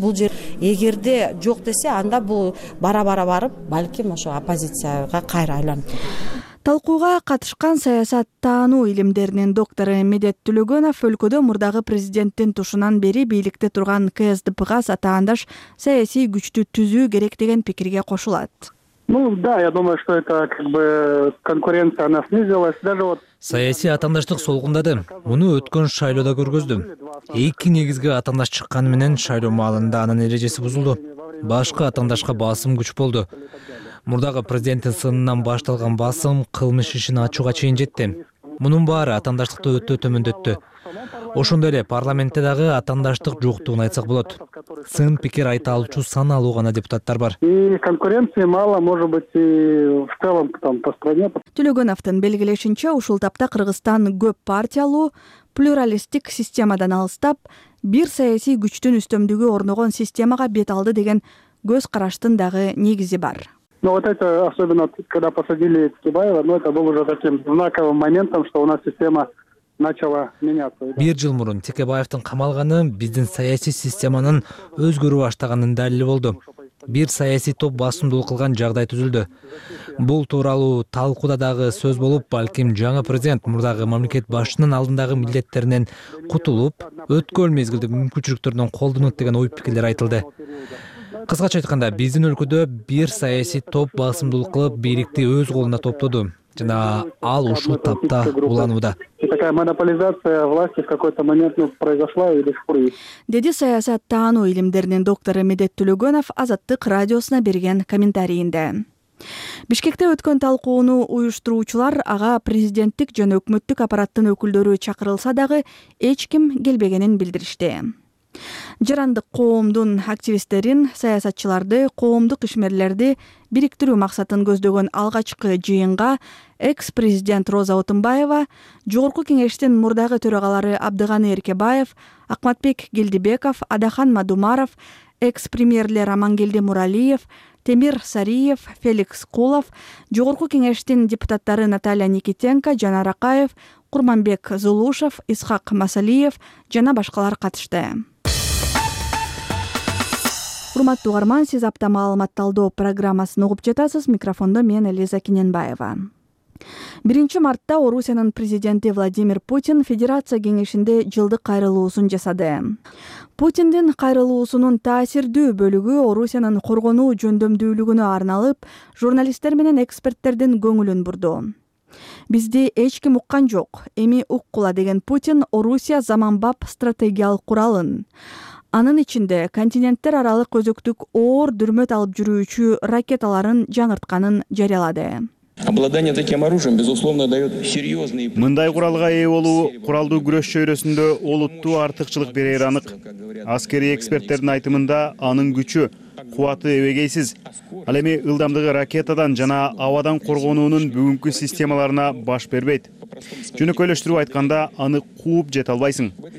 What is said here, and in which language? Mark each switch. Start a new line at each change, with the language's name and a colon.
Kyrgyz: Бул жер эгерде жок десе, анда бул бара-бара барып, балким ошо оппозицияга кайра айланат. Талкууга катышкан саясат таануу илимдеринин доктору Медет Түлөгөнов өлкөдө мурдагы президенттин тушунан бери бийликте турган КСДПга атаандаш саясий күчтү түзүү керек деген пикирге кошулат.
Russian: Ну да, я думаю, что это конкуренция она снизилась даже вот
Kyrgyz: саясий атаандаштык солгундады. Муну өткөн шайлоодо көргөздүм. Эки негизги атаандаш чыкканы менен шайлоо маалында анын эрежеси бузулду. Башка атаандашка басым күч болду. Мурдагы президенттин сынынан башталган басым кылмыш ишин ачууга чейин жетти. Мунун баары атаандаштыкты өтө төмөндөттү. Ошондой эле парламентте дагы атаандаштык жоктугун айтсак болот. Сын пикир айта алуучу саналуу гана депутаттар бар.
Russian: Конкуренция мало, может быть, и в целом там по стране.
Kyrgyz: Түлөгөновтун белгилешинче, ушул тапта Кыргызстан көп партиялуу, плюралисттик системадан алыстап, бир саясий күчтүн үстөмдүгү орногон системага бет алды деген көз караштын дагы негизи бар.
Russian: Ну вот это особенно когда посадили Цыбаева, ну это было уже таким знаковым моментом, что у нас система начала меняться.
Kyrgyz: Бир жыл мурун Текебаевдин камалганы биздин саясий системанын өзгөрүү баштаганын далили болду. Бир саясий топ басымдуу кылган жагдай түзүлдү. Бул тууралуу талкууда дагы сөз болуп, балким жаңы президент мурдагы мамлекет башчынын алдындагы милдеттеринен кутулуп, өткөн мезгилдик мүмкүнчүлүктөрдөн колдонот деген ой пикирлер айтылды. Кыскача айтканда, биздин өлкөдө бир саясий топ басымдуулук кылып, бийликти өз колуна топтоду жана ал ушул тапта уланууда.
Russian: Такая монополизация власти в какой-то момент произошла и до сих пор есть.
Kyrgyz: Деди саясат таануу илимдеринин доктору Медет Түлөгөнов Азаттык радиосуна берген комментарийинде. Бишкекте өткөн талкууну уюштуруучулар ага президенттик жана өкмөттүк аппараттын өкүлдөрү чакырылса дагы эч ким келбегенин билдиришти. Жарандык коомдун активисттерин, саясатчыларды, коомдук ишмерлерди бириктирүү максатын көздөгөн алгачкы жыйынга экс-президент Роза Отунбаева, Жогорку Кеңештин мурдагы төрагалары Абдыганы Эркебаев, Акматбек Гилдибеков, Адахан Мадумаров, экс-премьерлер Амангелди Муралиев, Темир Сариев, Феликс Кулов, Жогорку Кеңештин депутаттары Наталья Никитенко, Жанар Акаев, Курманбек Зулушев, Исхак Масалиев жана башкалар катышты. Урматтуу угарман, сиз апта маалымат талдоо программасын угуп жатасыз. Микрофондо мен Элиза Кененбаева. 1 мартта Орусиянын президенти Владимир Путин Федерация Кеңешинде жылдык кайрылуусун жасады. Путиндин кайрылуусунун таасирдүү бөлүгү Орусиянын коргонуу жөндөмдүүлүгүнө арналып, журналисттер менен эксперттердин көңүлүн бурду. Бизди эч ким уккан жок, эми уккула деген Путин Орусия заманбап стратегиялык куралын, Анын ичинде континенттер аралык өзөктүк оор дүрмөт алып жүрүүчү ракеталарын жаңыртканын жарыялады.
Russian: Обладание таким оружием безусловно даёт серьёзные.
Kyrgyz: Мындай куралга ээ болуу куралдуу күрөш чөйрөсүндө олуттуу артыкчылык берери анык. Аскерий эксперттердин айтымында анын күчү, кубаты эбегейсиз. Ал эми ылдамдыгы ракетадан жана абадан коргонуунун бүгүнкү системаларына баш бербейт. Жөнөкөйлөштүрүп айтканда, аны кууп жете албайсың.